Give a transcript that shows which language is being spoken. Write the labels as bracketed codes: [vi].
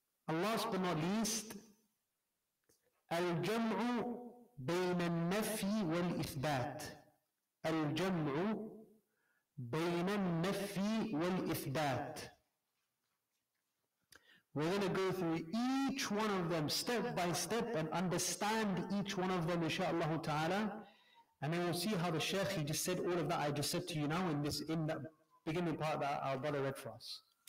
[en] Last but not least, [ar] الجمع بين النفي والإثبات. الجمع بين النفي والإثبات. [en] We're going to go through each one of them step by step and understand each one of them, inshallah ta'ala. And then we'll see how the Shaykh, he just said all of that I just said to you now in the beginning part that our brother read for us.